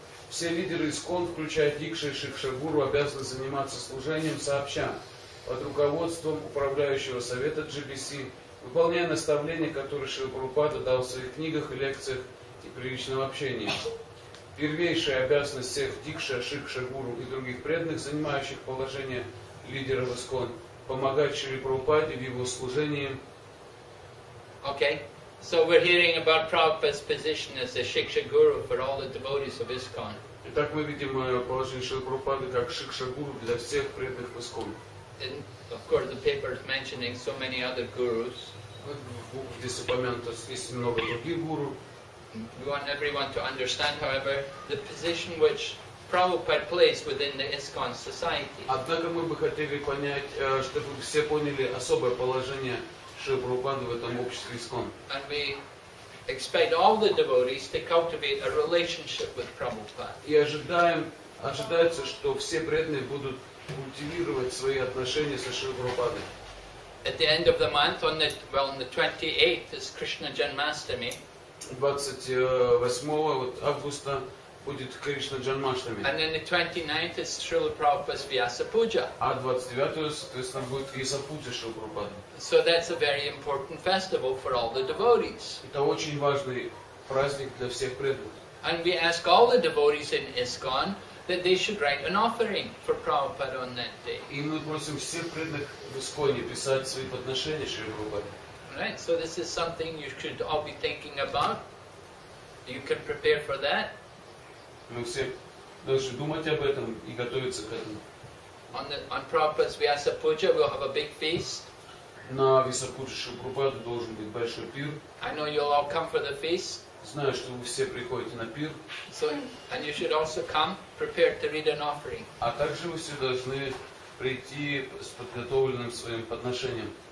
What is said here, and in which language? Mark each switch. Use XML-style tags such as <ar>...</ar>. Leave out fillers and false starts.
<ru>Все лидеры ИСККОН, включая Дикшу и Шикшу Гуру, обязаны заниматься служением сообща под руководством управляющего совета GBC, выполняя наставления, которые Шрила Прабхупада дал в своих книгах и лекциях и при личном общении. Первейшая обязанность всех Дикшу, Шикшу Гуру и других преданных, занимающих положение лидеров ИСККОН, помогать Шри Прабхупаде в его служении.</ru> <en>Okay. So we're hearing about Prabhupada's position as a Shiksha Guru for all the devotees of ISKCON.</en> <ru>Итак, мы видим положение Шри Прабхупады как Шикша Гуру для всех преданных в ИСККОН.</ru> <en>And of course the paper is mentioning so many other gurus.</en> <ru>Здесь упомянуто есть много других гуру.</ru> <en>We want everyone to understand, however, the position which Prabhupada plays within the ISKCON society.</en> <ru>Однако мы бы хотели понять, чтобы все поняли особое положение Шрилы Прабхупады в этом обществе ИСККОН.</ru> <en>And we expect all the devotees to cultivate a relationship with Prabhupada.</en> <ru>И ожидается, что все преданные будут культивировать свои отношения со Шрилой Прабхупадой.</ru> <en>At the end of the month, on the 28th is Krishna Janmashtami.</en> <ru>28 августа будет Кришна Джанмаштами.</ru> <en>And then the 29th is Srila Prabhupada's Vyasa Puja.</en> <ru>А 29-го, соответственно, будет Вьяса Пуджа Шрилы Прабхупады.</ru> <en>So that's a very important festival for all the devotees.</en> <ru>Это очень важный праздник для всех преданных.</ru> <en>And we ask all the devotees in ISKCON that they should write an offering for Prabhupada on that day.</en> <ru>И мы просим всех преданных в ИСККОНе писать свои подношения Шрилы Прабхупаде.</ru> <en>Right, so this is something you should all be thinking about. You can prepare for that.</en> <ru>Мы все должны думать об этом и готовиться к этому.</ru> <en>On Prabhupada's Vyasa Puja, we'll have a big feast.</en> <ru>На Вьяса Пуджа Шрилы Прабхупады должен быть большой пир.</ru> <en>I know you'll all come for the feast.</en> <uk>Знаю, що ви всі приходите на пир.</uk> <en>So, and you should also come prepared to read an offering.</en> <uk>А також ви всі повинні прийти з підготовленим своїм подношенням.</uk>